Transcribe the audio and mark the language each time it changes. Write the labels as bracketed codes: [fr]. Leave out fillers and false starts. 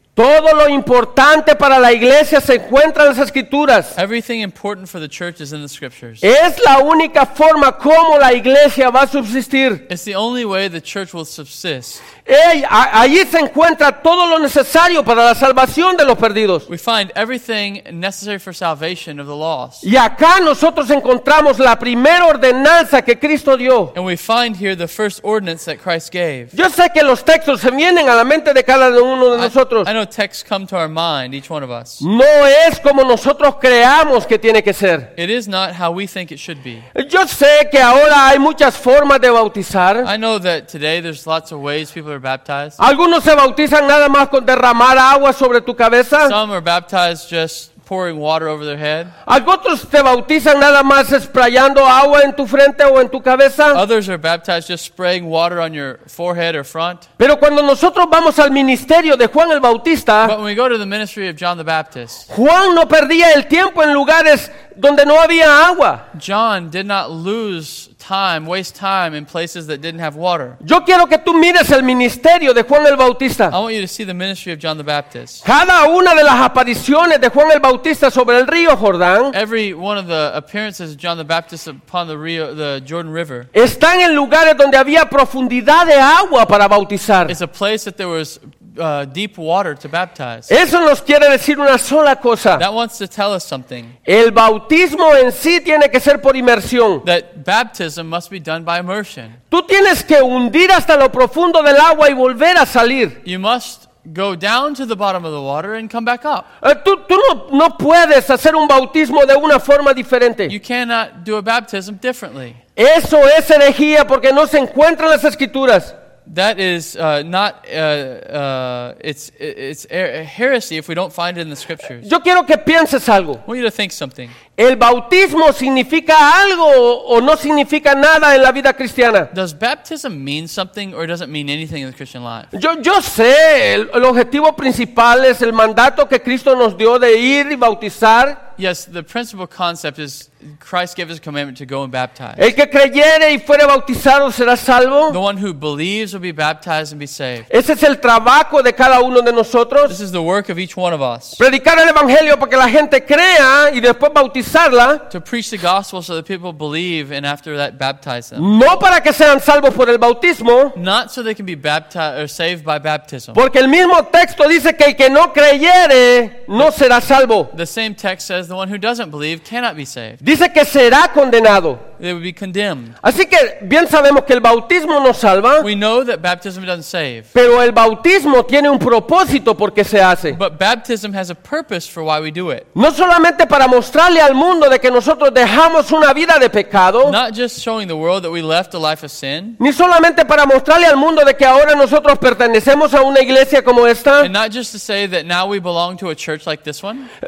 [es] Todo lo importante para la iglesia se encuentra en las escrituras. [en] Everything important for the church is in the scriptures. [es] Es la única forma como la iglesia va a subsistir. [en] It's the only way the church will subsist. [es] Allí se encuentra todo lo necesario para la salvación de los perdidos. [en] We find everything necessary for salvation of the lost. [es] Y acá nosotros encontramos la primera ordenanza que Cristo dio. [en] And we find here the first ordinance that Christ gave. [es] Yo sé que los textos se vienen a la mente de cada uno de nosotros. [en] I know texts come to our mind, each one of us. [es] No es como nosotros creamos que tiene que ser. [en] It is not how we think it should be. [es] Yo sé que ahora hay muchas formas de bautizar. [en] I know that today there's lots of ways people are baptized. [es] Algunos se bautizan nada más con derramar agua sobre tu cabeza. [en] Some are baptized just pouring water over their head. [es] Otros se bautizan nada más sprayando agua en tu frente o en tu cabeza. [en] Others are baptized just spraying water on your forehead or front. [es] Pero cuando nosotros vamos al ministerio de Juan el Bautista, [en] but when we go to the ministry of John the Baptist, [es] Juan no perdía el tiempo en lugares donde no había agua. [en] John did not lose time, waste time in places that didn't have water. [es] Yo quiero que tú mires el ministerio de Juan el Bautista. [en] I want you to see the ministry of John the Baptist. [es] Cada una de las apariciones de Juan el Bautista sobre el río Jordán. [en] Every one of the appearances of John the Baptist upon the Jordan River. [es] Están en lugares donde había profundidad de agua para bautizar. [en] It's a place that there was deep water to baptize. [es] Eso nos quiere decir una sola cosa. [en] That wants to tell us something. [es] El bautismo en sí tiene que ser por inmersión. [en] That baptism must be done by immersion. [es] Tú tienes que hundir hasta lo profundo del agua y volver a salir. [en] You must go down to the bottom of the water and come back up. [es] Tú no puedes hacer un bautismo de una forma diferente. [en] You cannot do a baptism differently. [es] Eso es herejía porque no se encuentra en las escrituras. [en] That is not it's heresy if we don't find it in the scriptures. [es] Yo quiero que pienses algo. [en] I want you to think something. [es] El bautismo significa algo o no significa nada en la vida cristiana. [en] Does baptism mean something or does it mean anything in the Christian life? [es] Yo sé, el objetivo principal es el mandato que Cristo nos dio de ir y bautizar. [en] Yes, the principal concept is Christ gave us a commandment to go and baptize. [es] El que creyere y fuere bautizado será salvo. [en] The one who believes will be baptized and be saved. [es] Ese es el trabajo de cada uno de nosotros. [en] This is the work of each one of us. [es] Predicar el evangelio para que la gente crea y después bautizarla. [en] To preach the gospel so that people believe and after that baptize them. [es] No para que sean salvos por el bautismo. [en] Not so they can be baptized or saved by baptism. [es] Porque el mismo texto dice que el que no creyere no será salvo. [en] The same text says the one who doesn't believe cannot be saved. [es] Dice que será condenado. [en] They would be condemned. [es] Así que bien sabemos que el bautismo no salva. [en] We know that baptism doesn't save. [es] Pero el bautismo tiene un propósito por qué se hace. [en] But baptism has a purpose for why we do it. [es] No solamente para mostrarle al mundo de que nosotros dejamos una vida de pecado. [en] Not just showing the world that we left a life of sin. [es] Ni solamente para mostrarle al mundo de que ahora nosotros pertenecemos a una iglesia como esta. [en] And not just to say that now we belong to a church like this one.